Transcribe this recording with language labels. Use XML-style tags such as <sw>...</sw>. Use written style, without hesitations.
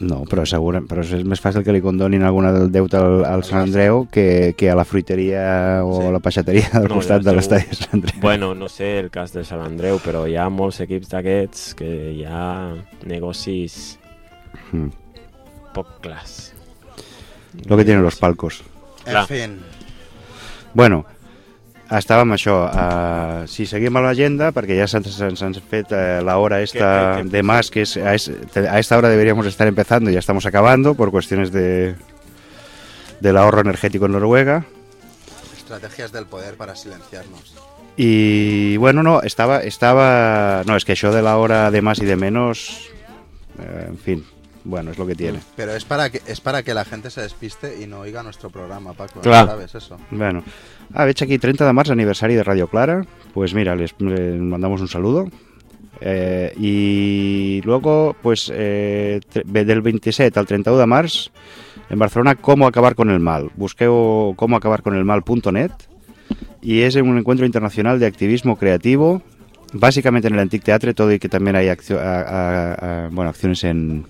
<ca>No, però segur, però és més fàcil que li condonin alguna del deute al Sant Andreu que a la fruiteria o sí. A la peixateria del costat de l'estadi de Sant Andreu. Bueno, no sé el cas de Sant Andreu, però hi ha molts equips d'aquests que hi ha negocis poc clars.</ca> <es>Lo que tienen los palcos. En fin.</es> <ca>Bueno, estàvem això. Si seguim a l'agenda, perquè ja s'ha fet l'hora</ca> <es>esta de más, que a esta hora deberíamos estar empezando, ya estamos acabando, por cuestiones del ahorro energético en Noruega. Estrategias del poder para silenciarnos. Y bueno, no, estaba... No, es que això de la hora de más y de menos... en fin... Bueno, es lo que tiene. Pero es para que la gente se despiste y no oiga nuestro programa, Paco. Claro. ¿Sabes eso? Bueno.</es> <ca>Ah, veig aquí 30 de març, aniversari de Radio Clara.</ca> <es>Pues mira, les mandamos un saludo. Y luego, pues, del 27 al 31 de març, en Barcelona, ¿cómo acabar con el mal? Busqueo comoacabarconelmal.net y es un encuentro internacional de activismo creativo, básicamente en el Antic Teatre, todo y que también hay acciones en...</es>